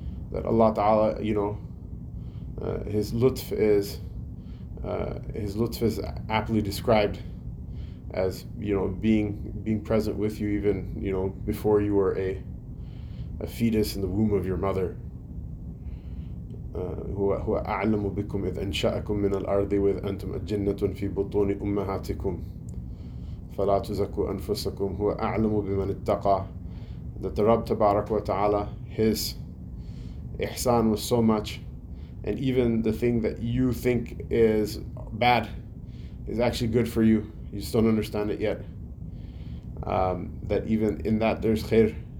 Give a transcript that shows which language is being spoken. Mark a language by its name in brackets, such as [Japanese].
[English] That Allah Ta'ala, you know, his lutf is aptly described as, you know, being present with you even, you know, before you were a fetus in the womb of your mother. [Arabic] هو أعلم بكم إذ أنشأكم من الأرض وإذ أنتم أجنة في بطون أمهاتكم فلا تزكوا أنفسكم هو أعلم بمن اتقى. [English] That the Rabb Tabarak wa Ta'ala, his ihsan was so much, and even the thing that you think is bad is actually good for you. You just don't understand it yet. That even in that there's khair.